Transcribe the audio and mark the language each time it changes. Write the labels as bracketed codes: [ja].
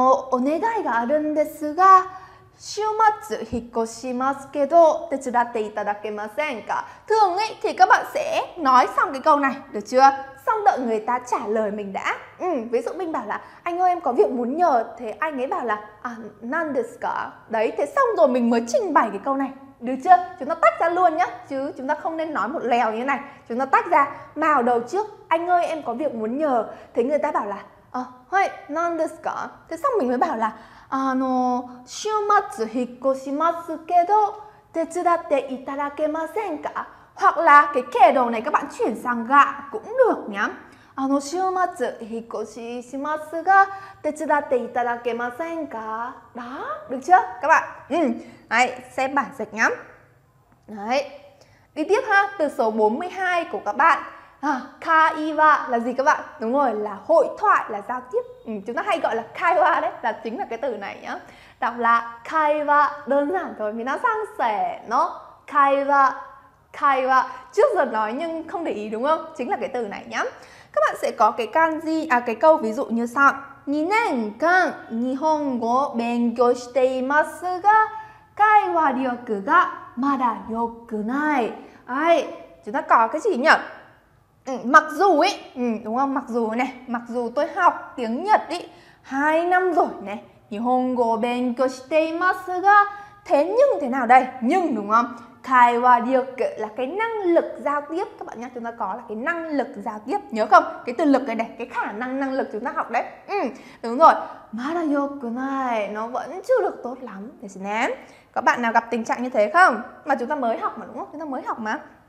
[ja] Onegai ga arun desu ga 週末引っ越しますけど手伝っていただけませんか? [vi] Thường ấy thì các bạn sẽ nói xong cái câu này, được chưa? Xong đợi người ta trả lời mình đã. Ví dụ mình bảo là anh ơi em có việc muốn nhờ, thế anh ấy bảo là [ja] nan desu ka? [vi] Đấy, thế xong rồi mình mới trình bày cái câu này, được chưa? Chúng ta tách ra luôn nhá, chứ chúng ta không nên nói một lèo như này. Chúng ta tách ra, mào đầu trước, anh ơi em có việc muốn nhờ, thế người ta bảo là [ja] hey, nan desu ka? [vi] Thế xong mình mới bảo là [ja] 週末引っ越しますけど手伝っていただけませんか? [vi] Hoặc là cái kề đầu này các bạn chuyển sang gạ cũng được nhé. [ja] 週末引っ越ししますが手伝っていただけませんか? [vi] Đó, được chưa các bạn? Đấy, xem bản dịch nhé. Đấy, đi tiếp ha, từ số 42 của các bạn. Kai wa là gì các bạn? Đúng rồi, là hội thoại, là giao tiếp. Chúng ta hay gọi là kai wa đấy, là chính là cái từ này nhá. Đọc là kai wa, đơn giản thôi, mình nói sang sẻ nó. Kai wa, kai wa, trước giờ nói nhưng không để ý đúng không? Chính là cái từ này nhá. Các bạn sẽ có cái kanji, cái câu ví dụ như sau. [ja] 2年間 日本語を勉強していますが会話力がまだ良くない。 [vi] Ai, chúng ta có cái gì nhỉ? Mặc dù ấy, đúng không? Mặc dù này, mặc dù tôi học tiếng Nhật ấy 2 năm rồi này. [ja] 日本語を勉強していますが [vi] thế nhưng thế nào đây? Nhưng đúng không? 会話力 là cái năng lực giao tiếp các bạn nhá, chúng ta có là cái năng lực giao tiếp, nhớ không? Cái từ lực này này, cái khả năng, năng lực chúng ta học đấy. Đúng rồi. [ja] まだ良くない, [vi] nó vẫn chưa được tốt lắm. Được nhé. Các bạn nào gặp tình trạng như thế không? Mà chúng ta mới học mà đúng không? Chúng ta mới học mà.